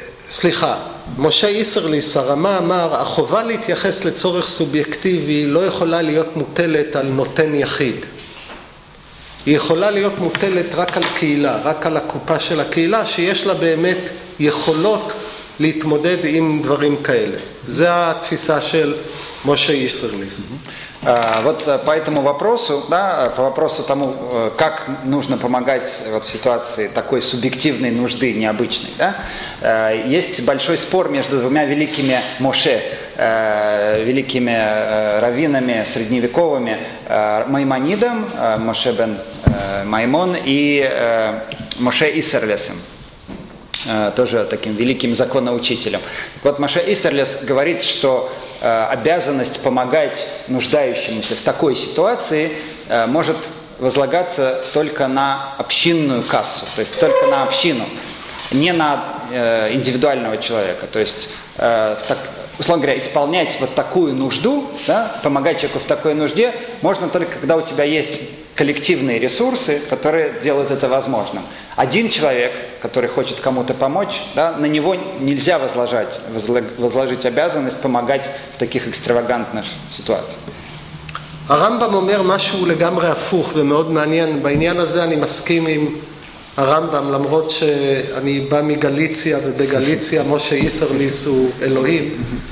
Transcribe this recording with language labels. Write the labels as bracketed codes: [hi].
[he] סליחה, משה איסרליס, הרמה אמר, החובה להתייחס לצורך סובייקטיבי לא יכולה להיות מוטלת על נותן יחיד. היא יכולה להיות מוטלת רק על קהילה, רק על הקופה של הקהילה, שיש לה באמת יכולות להתמודד עם דברים כאלה. זה התפיסה של משה איסרליס. [ru] Вот по этому вопросу, да, по вопросу тому, как нужно помогать вот в ситуации такой субъективной нужды, необычной, да, есть большой спор между двумя великими Моше, великими раввинами средневековыми, Маймонидом, Моше бен Маймон и Моше Исерлесом, тоже таким великим законоучителем. Так вот, Моше Исерлес говорит, что обязанность помогать нуждающемуся в такой ситуации может возлагаться только на общинную кассу, то есть только на общину, не на индивидуального человека. То есть, условно говоря, исполнять вот такую нужду, да, помогать человеку в такой нужде можно только, когда у тебя есть коллективные ресурсы, которые делают это возможным. Один человек, который хочет кому-то помочь, да, на него нельзя возложить обязанность помогать в таких экстравагантных ситуациях. [he] Рамбам אומר משהו לגמרי הפוך ומאוד מעניין. בעניין הזה אני מסכים עם הרמב״ם, למרות שאני בא מגליציה, ובגליציה משה איסרליס הוא אלוהים.